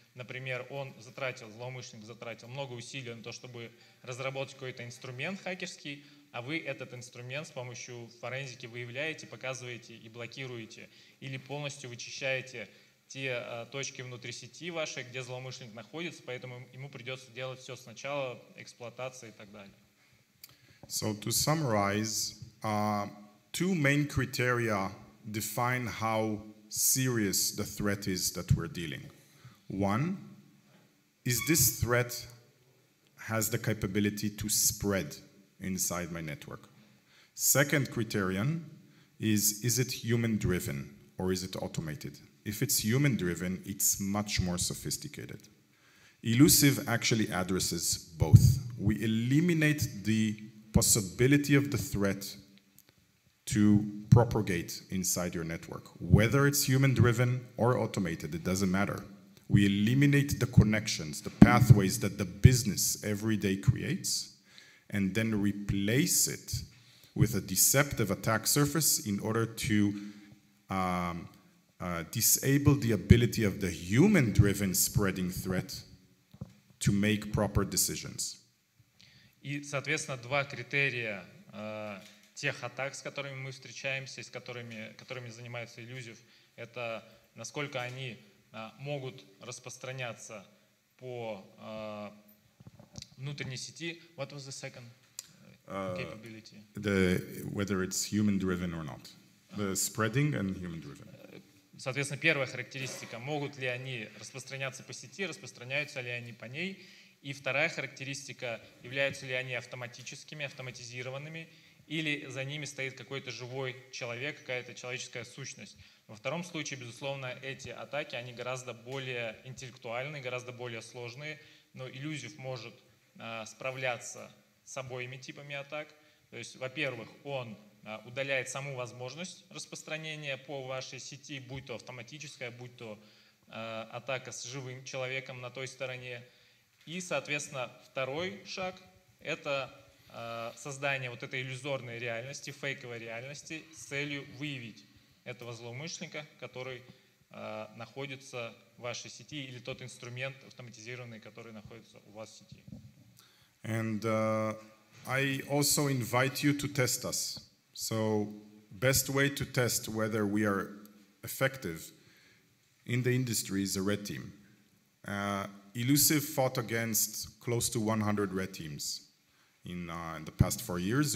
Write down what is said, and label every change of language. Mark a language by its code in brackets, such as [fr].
[ru] Например, он затратил, злоумышленник затратил много усилий на то, чтобы разработать какой-то инструмент хакерский, а вы этот инструмент с помощью форензики выявляете, показываете и блокируете, или полностью вычищаете те точки внутри сети вашей, где злоумышленник находится, поэтому ему придется делать все сначала, эксплуатация и так далее. [en] So to summarize, two main criteria define how serious the threat is that we're dealing. One, is this threat has the capability to spread inside my network? Second criterion is it human driven or is it automated? If it's human driven, it's much more sophisticated. Elusive actually addresses both. We eliminate the possibility of the threat to propagate inside your network. Whether it's human driven or automated, it doesn't matter. We eliminate the connections, the pathways that the business every day creates, and then replace it with a deceptive attack surface in order to disable the ability of the human-driven spreading threat to make proper decisions. [ru] И, соответственно, два критерия тех атак, с которыми мы встречаемся, с которыми занимаются Elusive, это насколько они могут распространяться по внутренней сети. [en] What was the second capability? Whether it's human-driven or not. The spreading and human-driven. [ru] Соответственно, первая характеристика. Могут ли они распространяться по сети, распространяются ли они по ней? И вторая характеристика. Являются ли они автоматическими, автоматизированными? Или за ними стоит какой-то живой человек, какая-то человеческая сущность? Во втором случае, безусловно, эти атаки, они гораздо более интеллектуальные, гораздо более сложные. Но Elusive может справляться с обоими типами атак. То есть, во-первых, он удаляет саму возможность распространения по вашей сети, будь то автоматическая, будь то атака с живым человеком на той стороне. И, соответственно, второй шаг — это создание вот этой иллюзорной реальности, фейковой реальности с целью выявить этого злоумышленника, который находится в вашей сети, или тот инструмент автоматизированный, который находится у вас в сети. [en] And I also invite you to test us. So, best way to test whether we are effective in the industry is a red team. Elusive fought against close to 100 red teams in the past 4 years.